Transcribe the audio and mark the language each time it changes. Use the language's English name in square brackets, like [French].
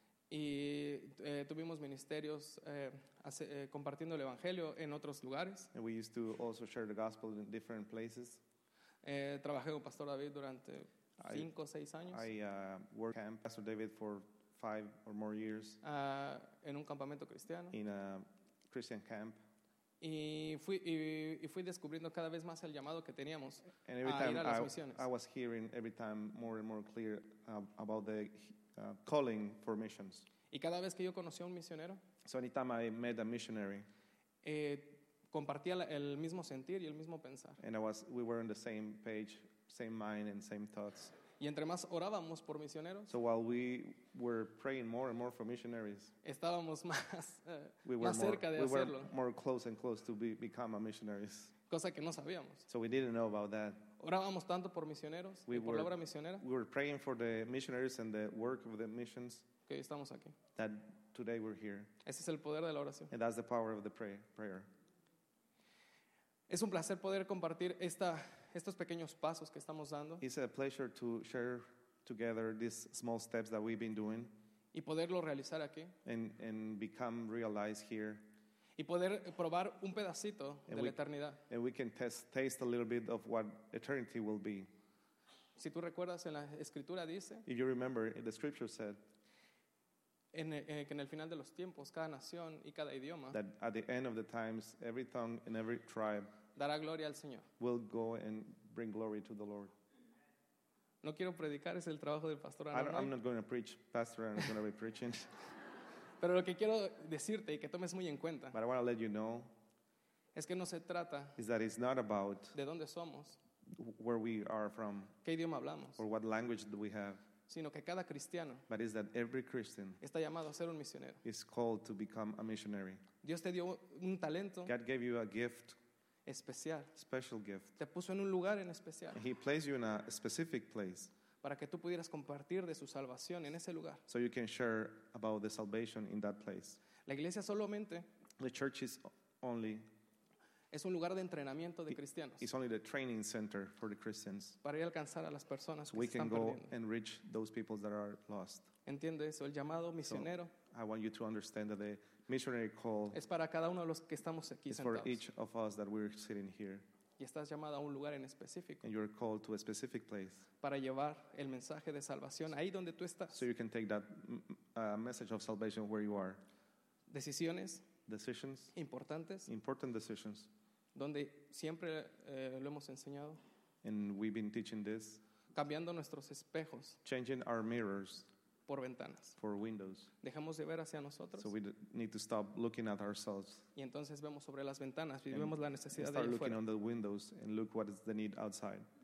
[Spanish] Y tuvimos ministerios compartiendo el evangelio en otros lugares. [English] And we used to also share the gospel in different places. [Spanish] Trabajé con Pastor David durante 5 o 6 años. [English] I worked with Pastor David for 5 or more years. [Spanish] En un campamento cristiano. [English] In a Christian camp. [Spanish] Y fui descubriendo cada vez más el llamado que teníamos a ir a las misiones. [English] I was hearing every time more and more clear about the calling for missions. [Spanish] Y cada vez que yo conocí a un misionero, [English] so anytime I met a missionary, [Spanish] compartía el mismo sentir y el mismo pensar. [English] And we were on the same page, same mind and same thoughts. [Spanish] Y entre más orábamos por misioneros, [English] so while we were praying more and more for missionaries, [Spanish] estábamos más más cerca de hacerlo. [English] We were more close and close to become a missionaries. [Spanish] Cosa que no sabíamos. [English] So we didn't know about that. [Spanish] Orábamos tanto por misioneros y por la obra misionera. [English] We were praying for the missionaries and the work of the missions. [Spanish] Que estamos aquí. [English] That today we're here. [Spanish] Ese es el poder de la oración. [English] And that's the power of the prayer. [Spanish] Es un placer poder compartir estos pequeños pasos que estamos dando. [English] It's a pleasure to share together these small steps that we've been doing. [Spanish] Y poderlo realizar aquí. [English] And become realized here. [Spanish] Y poder probar un pedacito de la eternidad. [English] And we can taste a little bit of what eternity will be. [Spanish] Si tú recuerdas, en la escritura dice. [English] If you remember, the scripture said. [Spanish] Que en el final de los tiempos, cada nación y cada idioma. [English] That at the end of the times, every tongue and every tribe. [Spanish] Dará gloria al Señor. [English] Will go and bring glory to the Lord. [Spanish] No quiero predicar, es el trabajo del pastor. [English] I'm not going to preach, pastor. I'm going to be preaching. [Spanish] Pero lo que quiero decirte y que tomes muy en cuenta. [English] But I want to let you know. [Spanish] Es que no se trata. [English] Is that it's not about. [Spanish] De dónde somos. [English] Where we are from. [Spanish] Qué idioma hablamos. [English] Or what language do we have. [Spanish] Sino que cada cristiano. [English] But is that every Christian. [Spanish] Está llamado a ser un misionero. [English] Is called to become a missionary. [Spanish] Dios te dio un talento. [English] God gave you a gift. [Spanish] Especial. [English] Special gift. [Spanish] Te puso en un lugar en especial. [English] He placed you in a specific place. [Spanish] Para que tú pudieras compartir de su salvación en ese lugar. [English] So you can share about the salvation in that place. [Spanish] La iglesia solamente. [English] The church is only. [Spanish] Es un lugar de entrenamiento de cristianos. [English] It's only the training center for the Christians. [Spanish] Para ir a alcanzar a las personas que están [English] perdiendo. We can go and reach those people that are lost. [Spanish] Entiende eso, el llamado misionero. [English] So I want you to understand that the missionary call. [Spanish] Es para cada uno de los que estamos aquí sentados. [English] For each of us that we're sitting here. [Spanish] Y estás llamado a un lugar en específico. [English] And you're called to a specific place. [Spanish] Para llevar el mensaje de salvación ahí donde tú estás. [English] So you can take that message of salvation where you are. [Spanish] Decisiones. [English] Decisions. [Spanish] Importantes. [English] Important decisions. [Spanish] Donde siempre lo hemos enseñado. [English] And we've been teaching this. [Spanish] Cambiando nuestros espejos. [English] Changing our mirrors. [Spanish] por ventanas. [English] For windows. [Spanish] Dejamos de ver hacia nosotros. [English] So we need to stop looking at ourselves. [Spanish] Y entonces vemos sobre las ventanas y vemos la necesidad [English] de allá afuera. On the windows and look what is the need outside.